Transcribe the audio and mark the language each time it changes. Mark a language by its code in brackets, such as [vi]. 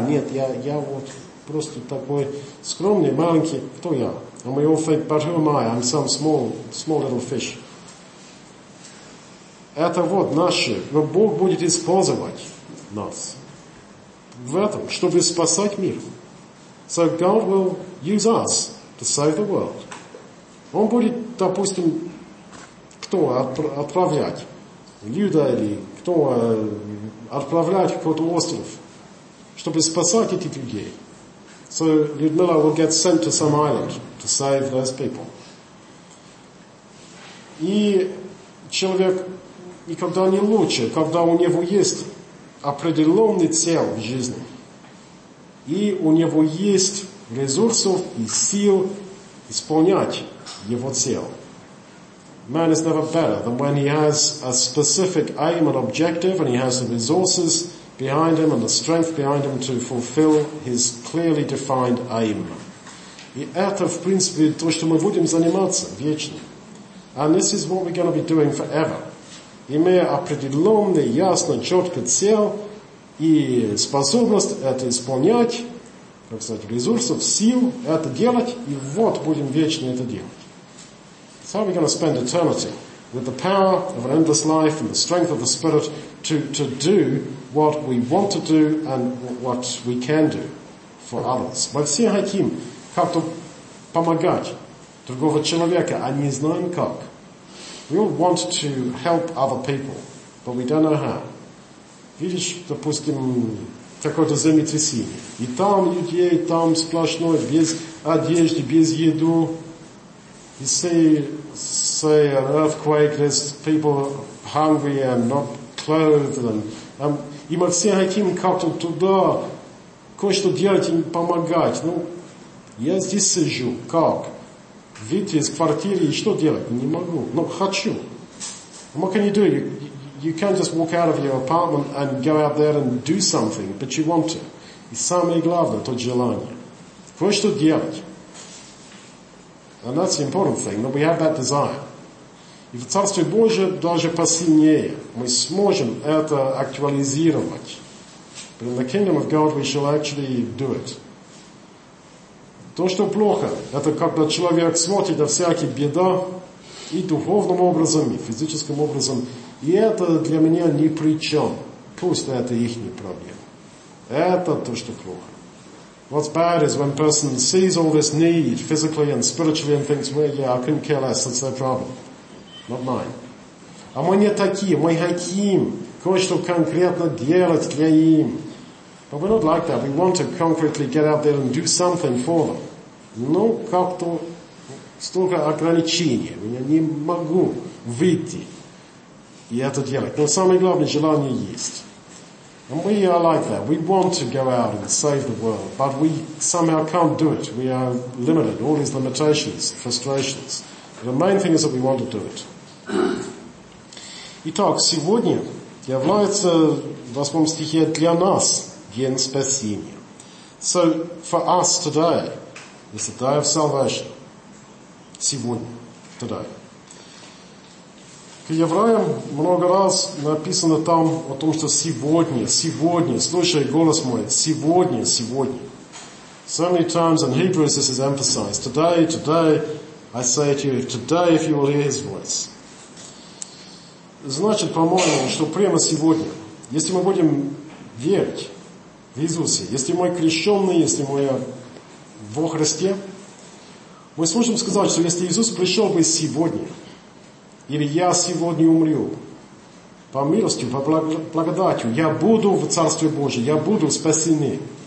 [ru] Нет, я вот просто такой скромный, маленький. Кто я? [en] And we all think, but who am I? I'm some small little fish. [ru] Это вот наше. Но Бог будет использовать нас в этом, чтобы спасать мир. [en] So God will use us to save the world. [ru] Он будет, допустим, кто отправлять? Люда или кто отправлять какой-то остров, чтобы спасать этих людей. [en] So Людмила will get sent to some island to save those people. [ru] И человек никогда не лучше, когда у него есть определенный цель в жизни. И у него есть ресурсов и сил исполнять его цель. [en] Man is never better than when he has a specific aim and objective and he has the resources behind him and the strength behind him to fulfill his clearly defined aim. [ru] И это, в принципе, то, что мы будем заниматься вечно. [en] And this is what we're going to be doing forever. [ru] Имея определенный, ясно, четкий цель и способность это исполнять, как сказать, ресурсов, сил это делать, и вот будем вечно это делать. [en] So how are we going to spend eternity with the power of an endless life and the strength of the Spirit to do what we want to do and what we can do for others? [ru] Мы все хотим как-то помогать другого человека, а не знаем как. [en] We all want to help other people, but we don't know how. [ru] Видишь, допустим, какое-то землетрясение. И там людей, там сплошное, без одежды, без еду. [en] You say an earthquake, there's people hungry and not clothed. [ru] И мы все хотим как-то туда кое-что делать и помогать. Ну, я здесь сижу, как? Выйти из квартиры и что делать? Не могу, но хочу. [en] What can you do? You, you can't just walk out of your apartment and go out there and do something, but you want to. [ru] И самое главное, то желание. Кое-что делать. [en] And that's the important thing, that we have that desire. [ru] И в Царстве Божьем даже посильнее мы сможем это актуализировать. [en] But in the kingdom of God we shall actually do it. [ru] То, что плохо, это когда человек смотрит на всякие беды и духовным образом, и физическим образом. И это для меня ни при чем. Пусть это их проблема. Это то, что плохо. [en] What's bad is when a person sees all this need physically and spiritually and thinks, well, yeah, I couldn't care less, that's their problem. Not mine. [ru] А мы не такие, мы хотим кое-что конкретно делать для им. [en] But we're not like that. We want to concretely get out there and do something for them. Но как-то столько ограничений. Я не могу выйти и это делать. Но самое главное, желание есть. And we are like that. We want to go out and save the world, but we somehow can't do it. We are limited. All these limitations, frustrations. But the main thing is that we want to do it. [ru] Итак, сегодня является в 8 стихе для нас день спасения. [en] So, for us today is the day of salvation. [ru] Сегодня, today. К евреям много раз написано там о том, что сегодня, сегодня, слушай голос мой, сегодня, сегодня. [en] So many times in Hebrews this is emphasized. Today, today, I say to you, today if you will hear his voice. [ru] Значит, по-моему, что прямо сегодня, если мы будем верить в Иисусе, если мы крещенные, если мы во Христе, мы сможем сказать, что если Иисус пришел бы сегодня, или я сегодня умру, по милости, по благодати, я буду в Царстве Божьем, я буду спасены.